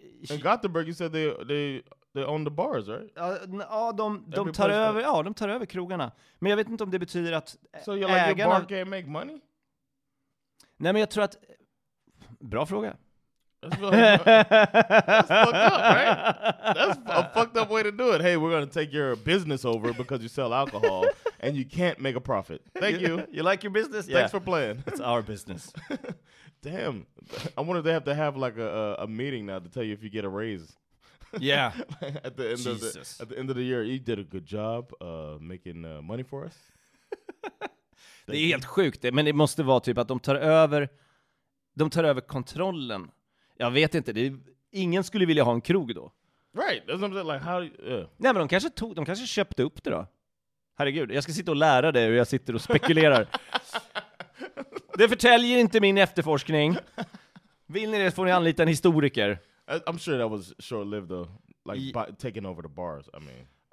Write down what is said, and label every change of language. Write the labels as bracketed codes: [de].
[en] In Gothenburg, you said they own the bars, right? [sv] Ja, de tar över, ja, de tar över krogarna. Men jag vet inte om det betyder att [en] so you're like [sv] ägarna... [en] your bar can't make money? [sv] Nej, men jag tror att... Bra fråga. [en] That's fucked up, right? That's a fucked up way to do it. Hey, we're gonna take your business over because you sell alcohol and you can't make a profit. Thank you. You like your business? Thanks for playing. It's our business. Damn. I wonder if they have to have like a meeting now to tell you if you get a raise. Yeah. At the end of the year, you did a good job making money for us. [sv] Det är helt sjukt, men det måste vara typ att de tar över kontrollen. Jag vet inte, ingen skulle vilja ha en krog då. [en] Right, that's what I'm saying, like how... [sv] Nej, men de kanske köpte upp det då. Herregud, jag ska sitta och lära dig hur jag sitter och spekulerar. Det förtäljer inte min efterforskning. Vill ni det får ni anlita en historiker. [en] I'm sure that was short-lived though. Like, taking over the bars, I mean.